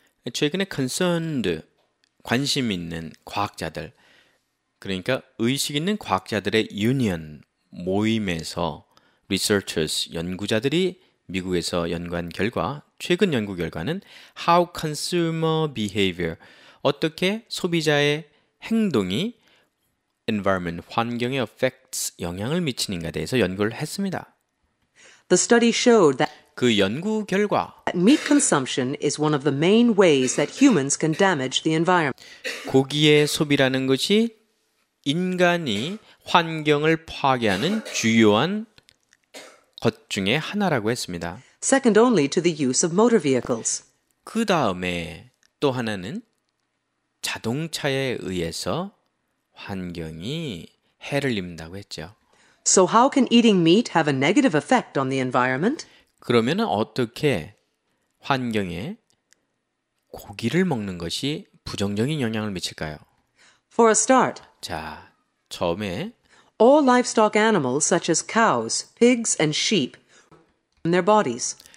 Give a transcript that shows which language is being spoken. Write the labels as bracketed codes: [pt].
[ko] 최근에 concerned, 관심 있는 과학자들, 그러니까 의식 있는 과학자들의 union, 모임에서 researchers, 연구자들이 미국에서 연구한 결과, 최근 연구 결과는 [en] how consumer behavior, [ko] 어떻게 소비자의 행동이 environment, 환경의 effects, 영향을 미치는가에 대해서 연구를 했습니다. [en] The study showed that [ko] 그 연구 결과, [en] meat consumption is one of the main ways that humans can damage the environment. [ko] 고기의 소비라는 것이 인간이 환경을 파괴하는 주요한 것 중에 하나라고 했습니다. [en] Second only to the use of motor vehicles. [ko] 그 다음에 또 하나는 자동차에 의해서 환경이 해를 입는다고 했죠. [en] So how can eating meat have a negative effect on the environment? [ko] 그러면 어떻게 환경에 고기를 먹는 것이 부정적인 영향을 미칠까요? [en] For a start, [ko] 자, 처음에 [en] all livestock animals such as cows, pigs, and sheep from their bodies.